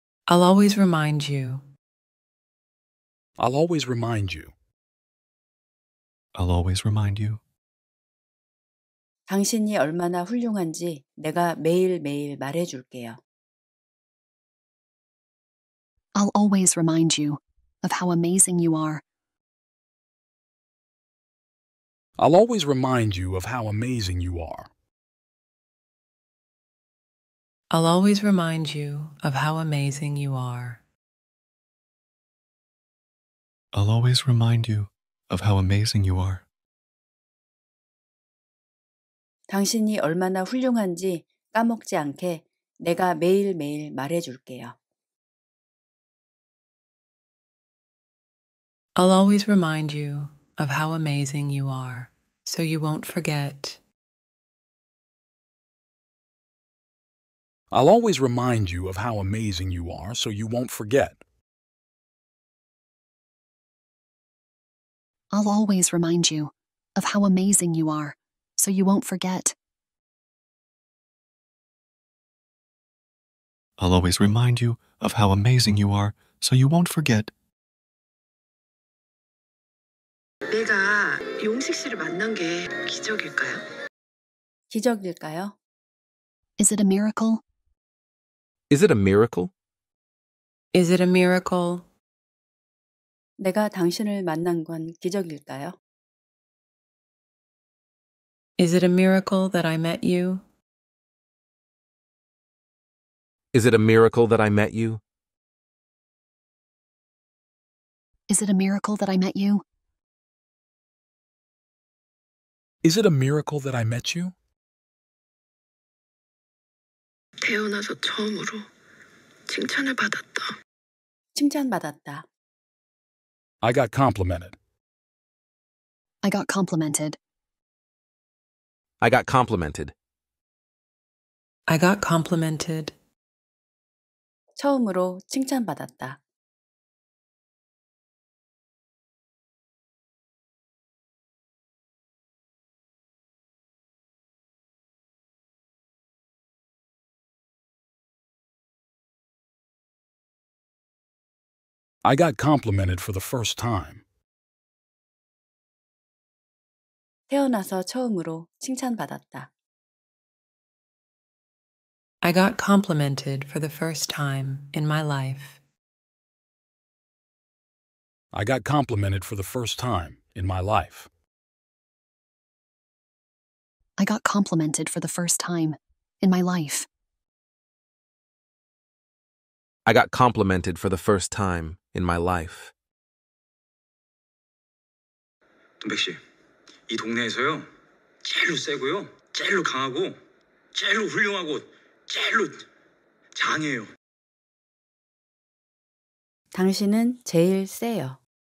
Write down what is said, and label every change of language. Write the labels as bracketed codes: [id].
[ko] 당신이 얼마나 훌륭한지 내가 매일매일 말해줄게요. [en] I'll always remind you of how amazing you are. I'll always remind you of how amazing you are. I'll always remind you of how amazing you are. I'll always remind you of how amazing you are. [ko] 당신이 얼마나 훌륭한지 까먹지 않게 내가 매일매일 말해줄게요. [en] I'll always remind you of how amazing you are. So you won't forget. I'll always remind you of how amazing you are, so you won't forget. I'll always remind you of how amazing you are, so you won't forget. I'll always remind you of how amazing you are, so you won't forget. [ko] 내가 용식 씨를 만난 게 기적일까요? 기적일까요? [en] Is it a miracle? Is it a miracle? Is it a miracle? [ko] 내가 당신을 만난 건 기적일까요? [en] Is it a miracle that I met you? Is it a miracle that I met you? Is it a miracle that I met you? Is it a miracle that I met you? [ko] 태어나서 처음으로 칭찬을 받았다. 칭찬받았다. [en] I got complimented. I got complimented. I got complimented. I got complimented. [ko] 처음으로 칭찬받았다. [en] I got complimented for the first time. [ko] 태어나서 처음으로 칭찬받았다. [en] I got complimented for the first time in my life. I got complimented for the first time in my life. I got complimented for the first time in my life. I got complimented for the first time in my life. [ko] 동백 씨, 이 동네에서요, 제일로 세고요, 제일로 강하고, 제일로 훌륭하고, 제일로 장해요. 당신은 제일 세요.